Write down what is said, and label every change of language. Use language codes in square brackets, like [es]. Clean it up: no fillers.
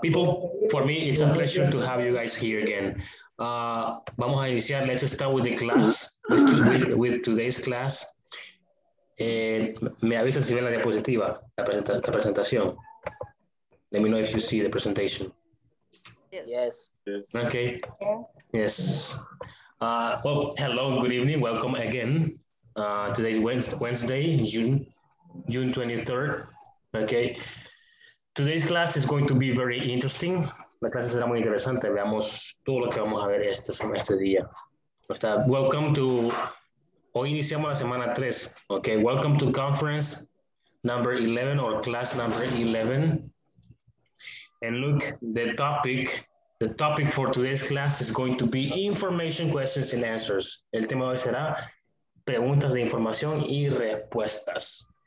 [en] People, for me, it's a pleasure to have you guys here again. [es] Vamos a iniciar, [en] let's start with the class, with today's class. [es] Me avisan si ven la diapositiva, la presentación. [en] Let me know if you see the presentation. Yes. Okay. Yes. Well, hello, good evening, welcome again. Today is Wednesday, June 23rd. Okay. Today's class is going to be very interesting. [es] La clase será muy interesante. Veamos todo lo que vamos a ver este día. [en] Welcome to... [es] Hoy iniciamos la semana 3. [en] Okay, welcome to conference number 11 or class number 11. And look, the topic for today's class is going to be information questions and answers. [es] El tema de hoy será preguntas de información y respuestas.